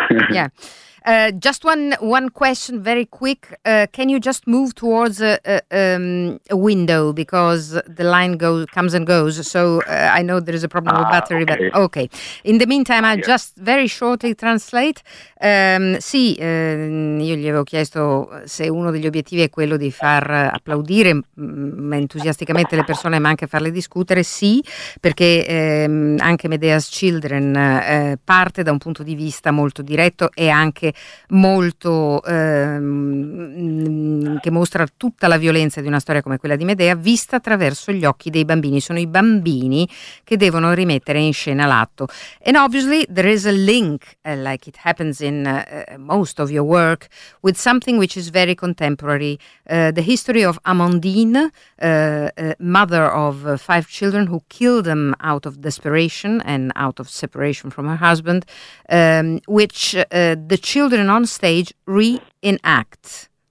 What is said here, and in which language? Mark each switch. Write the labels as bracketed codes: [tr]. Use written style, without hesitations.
[en] Yeah. Just one question, very quick. Can you just move towards a window, because the line comes and goes? So I know there is a problem with battery, okay. But okay. In the meantime, I just very shortly translate. [it] Sì, io gli avevo chiesto se uno degli obiettivi è quello di far applaudire entusiasticamente le persone, ma anche farle discutere. Sì, perché anche Medea's Children parte da un punto di vista molto diretto e anche molto che mostra tutta la violenza di una storia come quella di Medea vista attraverso gli occhi dei bambini. Sono i bambini che devono rimettere in scena l'atto. [en] And obviously there is a link, like it happens in most of your work, with something which is very contemporary, the history of Amandine, mother of five children who killed them out of desperation and out of separation from her husband, which the children on stage reenact.